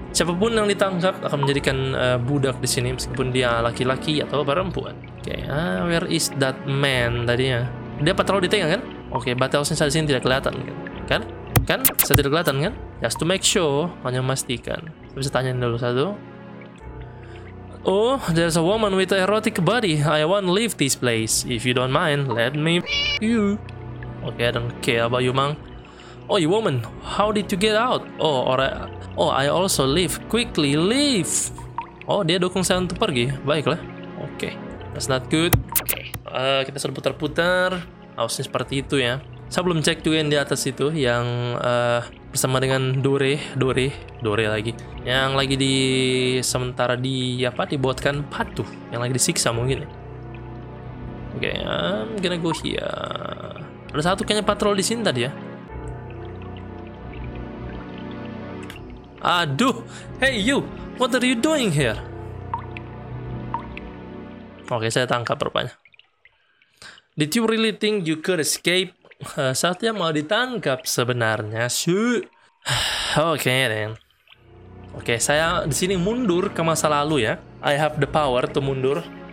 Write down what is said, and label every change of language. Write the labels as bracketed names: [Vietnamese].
[Indonesian] Siapapun yang ditangkap akan menjadikan budak di sini meskipun dia laki-laki atau perempuan. Oke, okay. [English] Where is that man [Indonesian] tadinya? Dia patroli di tengah kan? Oke, okay, battle sense di sini tidak kelihatan kan? Kan? Kan? Saya tidak kelihatan kan? [English] Just to make sure, [Indonesian] hanya memastikan. Saya bisa tanyain dulu satu. [English] Oh, there's a woman with a erotic body. I won't leave this place. If you don't mind, let me you. Okay, I don't care about you, man. Oh, you woman, how did you get out? I also leave. Quickly, leave. [Indonesian] Oh, dia dukung saya untuk pergi. Baiklah. [English] Okay, that's not good. [Indonesian] Okay, kita sudah putar-putar. Harusnya seperti itu ya. Saya belum cek juga yang di atas itu, yang bersama dengan Dore lagi. Yang lagi di sementara di apa? Dibuatkan patuh. Yang lagi disiksa mungkin. [English] Okay, I'm gonna go here. [Indonesian] Ada satu kayaknya patrol di sini tadi ya. [English] Aduh, hey you, what are you doing here? Oke, [Indonesian] saya tangkap rupanya. [English] Did you really think you could escape? [Indonesian] Saatnya mau ditangkap sebenarnya. Shoot. Oke, then. Oke, saya di sini mundur ke masa lalu ya. [English] I have the power to mundur.